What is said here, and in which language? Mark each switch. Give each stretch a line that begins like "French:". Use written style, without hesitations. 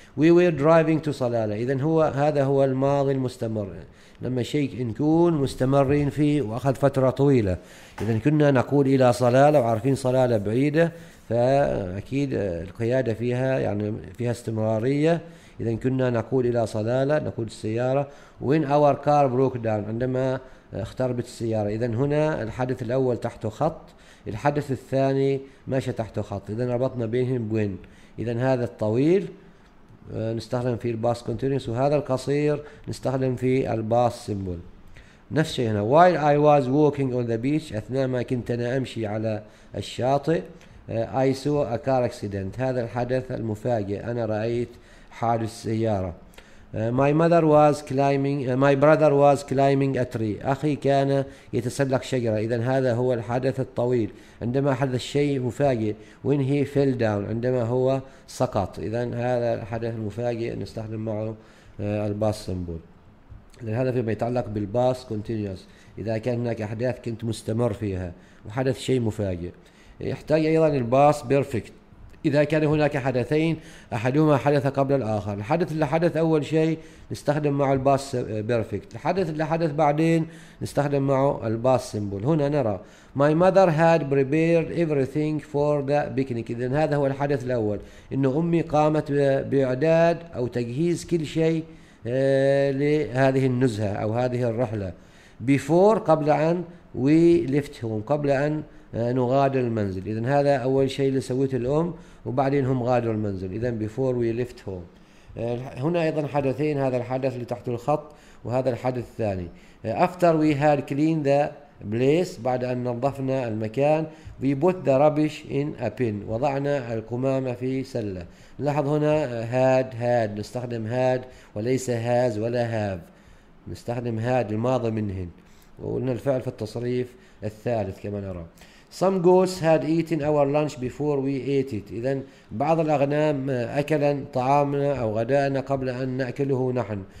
English: we were driving to
Arabic: صلالة، إذا هو هذا هو الماضي المستمر، لما شيء نكون مستمرين فيه وأخذ فترة طويلة. إذا كنا نقول إلى صلالة وعارفين صلالة بعيدة، فأكيد القيادة فيها يعني فيها استمرارية. إذا كنا نقول إلى صلالة، نقود السيارة.
English: when our car broke down،
Arabic: عندما اختربت السيارة. إذا هنا الحدث الأول تحت خط، الحدث الثاني ماشي تحت خط، إذا ربطنا بينهم بوين. إذا هذا الطويل نستخدم فيه الباس كونتينيوس، وهذا القصير نستخدم فيه الباس سيمبل. نفس الشيء هنا.
English: while I was walking on the beach،
Arabic: أثناء ما كنت أنا أمشي على الشاطئ.
English: I saw a car accident،
Arabic: هذا الحدث المفاجئ، أنا رأيت حادث سيارة.
English: my brother was climbing a tree،
Arabic: أخي كان يتسلق شجرة. إذا هذا هو الحدث الطويل، عندما حدث الشيء مفاجئ.
English: when he fell down،
Arabic: عندما هو سقط. إذا هذا الحدث المفاجئ نستخدم معه الباس سيمبل. هذا فيما يتعلق بالباس كونتينيوس، إذا كان هناك أحداث كنت مستمر فيها وحدث شيء مفاجئ. يحتاج أيضا الباس بيرفكت، إذا كان هناك حدثين أحدهما حدث قبل الآخر. الحدث اللي حدث أول شيء نستخدم معه الباس بيرفكت، الحدث اللي حدث بعدين نستخدم معه الباس سيمبل. هنا نرى
English: my mother had prepared everything for the picnic.
Arabic: إذن هذا هو الحدث الأول، إنه أمي قامت بإعداد أو تجهيز كل شيء لهذه النزهة أو هذه الرحلة. before قبل أن
English: we left home،
Arabic: قبل أن نغادر المنزل. إذن هذا أول شيء اللي سويته الأم، وبعدين هم غادروا المنزل. إذن
English: before we left home.
Arabic: هنا أيضا حدثين، هذا الحدث اللي تحت الخط وهذا الحدث الثاني.
English: after we had cleaned the place،
Arabic: بعد أن نظفنا المكان.
English: we put the rubbish in a bin،
Arabic: وضعنا القمامة في سلة. نلاحظ هنا had had، نستخدم had وليس has ولا have، نستخدم had الماضي منهن، وقلنا الفعل في التصريف الثالث كما نرى.
English: some goats had eaten our lunch before we ate it،
Arabic: إذن بعض الأغنام أكل طعامنا أو غداءنا قبل أن نأكله نحن.